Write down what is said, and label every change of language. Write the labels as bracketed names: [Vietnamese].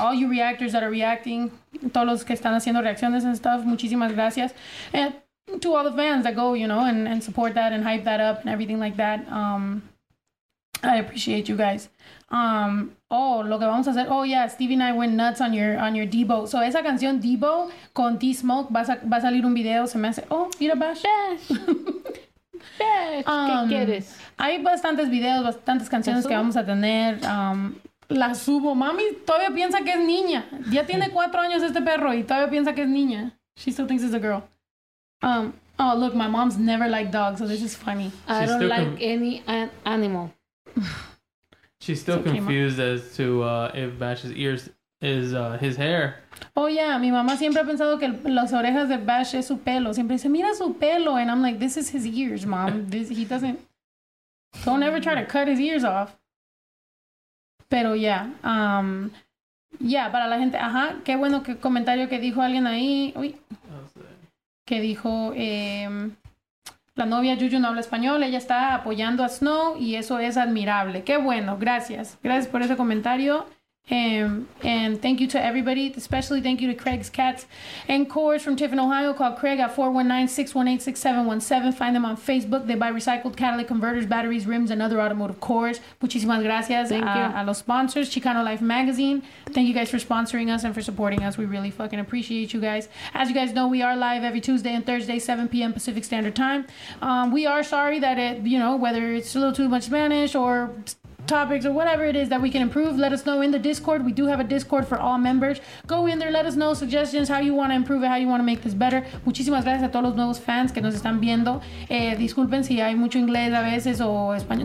[English] All you reactors that are reacting, [Spanish] todos los que están haciendo reacciones [English] and stuff, [Spanish] muchísimas gracias. [English] And to all the fans that go, you know, and support that and hype that up and everything like that. I appreciate you guys. [Spanish] Lo que vamos a hacer. [English] Oh, yeah, Stevie and I went nuts on your Debo. [Spanish] So, esa canción Debo con T-Smoke va a salir un video. Se me hace, oh, mira, Bash. Bash. ¿Qué quieres? Hay bastantes videos, bastantes canciones que vamos a tener. La subo. Mami todavía piensa que es niña. Ya tiene 4 años este perro y todavía piensa que es niña. [English] She still thinks it's a girl. Oh, look, my mom's never liked dogs, so this is funny. I don't like any animal. She's still confused as to if Bash's ears is his hair. [Spanish] Oh, yeah, mi mamá siempre ha pensado que las orejas de Bash es su pelo. Siempre dice, mira su pelo, [English] and I'm like, this is his ears, mom. Don't ever try to cut his ears off. [Spanish] Pero, yeah, para la gente, ajá, qué bueno que comentario que dijo alguien ahí. Uy. Que dijo, la novia Juju no habla español, ella está apoyando a Snow y eso es admirable. Qué bueno, gracias. Gracias por ese comentario. [English] And thank you to everybody, especially thank you to Craig's Cats and Coors from Tiffin, Ohio. Call Craig at 419-618-6717. Find them on Facebook. They buy recycled catalytic converters, batteries, rims, and other automotive cores. [Spanish] Muchísimas gracias a los [English] sponsors. Chicano Life Magazine, thank you guys for sponsoring us and for supporting us. We really fucking appreciate you guys. As you guys know, we are live every Tuesday and Thursday, 7 p.m. Pacific Standard Time. We are sorry that it, you know, whether it's a little too much Spanish or topics or whatever it is that we can improve, let us know in the Discord. We do have a Discord for all members. Go in there, let us know suggestions, how you want to improve it, how you want to make this better. [Spanish] Muchísimas gracias a todos los nuevos fans que nos están viendo. Disculpen si hay mucho inglés a veces o español.